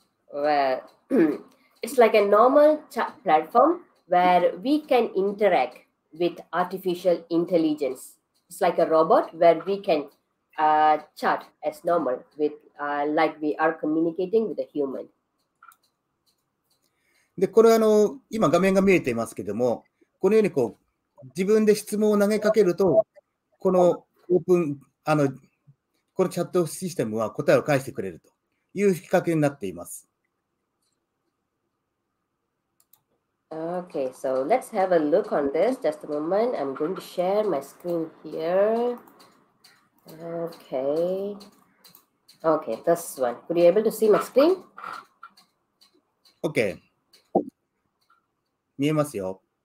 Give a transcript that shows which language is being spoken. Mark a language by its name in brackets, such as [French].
[English] where it's like a normal chat platform where we can interact with artificial intelligence. It's like a robot where we can chat as normal with like we are communicating with a human. [Japanese] で、これあの今画面が見えていますけども、このようにこう自分で質問を投げかけると、このオープンあのこのチャットシステムは答えを返してくれるという仕掛けになっています。 [English] Okay, so let's have a look on this. Just a moment, I'm going to share my screen here. Okay. Okay, this one. Could you able to see my screen? [Japanese] Okay. 見えますよ。